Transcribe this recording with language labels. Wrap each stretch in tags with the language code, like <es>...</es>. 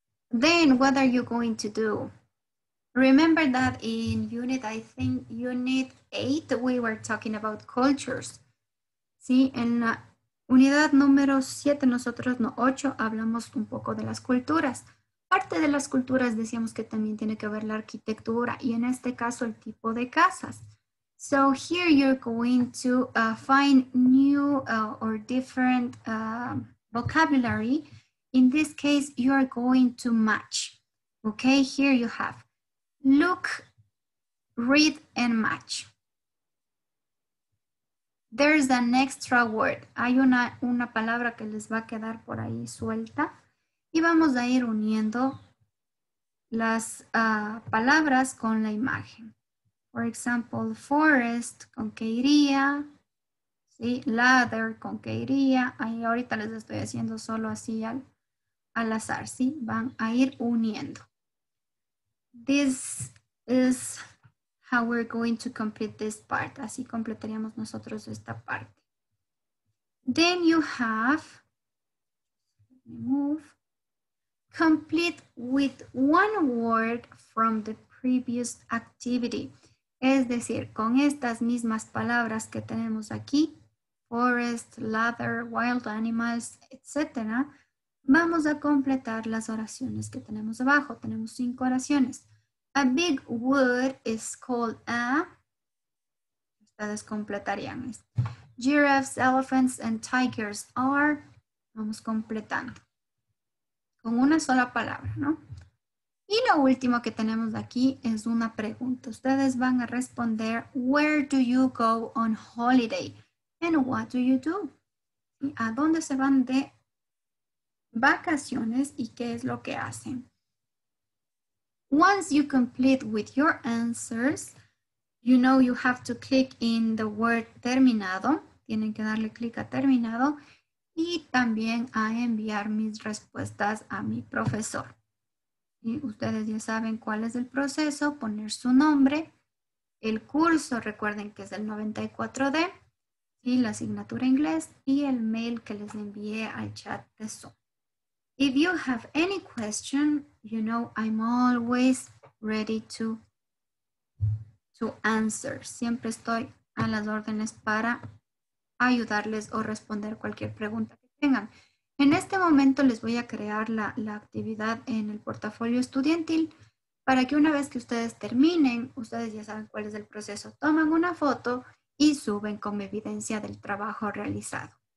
<en>Then what are you going to do? Remember that in unit 8, we were talking about cultures.</en> <es>Sí, en la unidad número 7, nosotros, no 8, hablamos un poco de las culturas. Parte de las culturas decíamos que también tiene que ver la arquitectura y en este caso el tipo de casas.</es> <en>So here you're going to find new or different vocabulary. In this case, you are going to match. Okay, here you have look, read, and match. There's an extra word.</en> <es>Hay una palabra que les va a quedar por ahí suelta. Y vamos a ir uniendo las palabras con la imagen.</es> <en>For example,</en> <es>forest, ¿con qué iría? ¿Sí? Ladder, ¿con qué iría? Ahí ahorita les estoy haciendo solo así al azar, ¿sí? Van a ir uniendo.</es> <en>This is how we're going to complete this part.</en> <es>Así completaríamos nosotros esta parte.</es> <en>Then you have, let me move, complete with one word from the previous activity.</en> <es>Es decir, con estas mismas palabras que tenemos aquí, forest, ladder, wild animals, etc., vamos a completar las oraciones que tenemos abajo. Tenemos 5 oraciones.</es> <en>A big wood is called a...</en> <es>Ustedes completarían esto.</es> <en>Giraffes, elephants, and tigers are...</en> <es>Vamos completando. Con una sola palabra, ¿no? Y lo último que tenemos aquí es una pregunta. Ustedes van a responder,</es> <en>where do you go on holiday? And what do you do?</en> <es>¿A dónde se van de vacaciones y qué es lo que hacen?</es> <en>Once you complete with your answers, You know, you have to click in the word terminado.</en> <es>Tienen que darle clic a terminado. Y también a enviar mis respuestas a mi profesor. Y ustedes ya saben cuál es el proceso. Poner su nombre. El curso, recuerden que es el 94D. Y la asignatura inglés. Y el mail que les envié al chat de Zoom.</es> <en>If you have any question, you know, I'm always ready to answer.</en> <es>Siempre estoy a las órdenes para ayudarles o responder cualquier pregunta que tengan. En este momento les voy a crear la actividad en el portafolio estudiantil para que una vez que ustedes terminen, ustedes ya saben cuál es el proceso. Toman una foto y suben como evidencia del trabajo realizado.</es>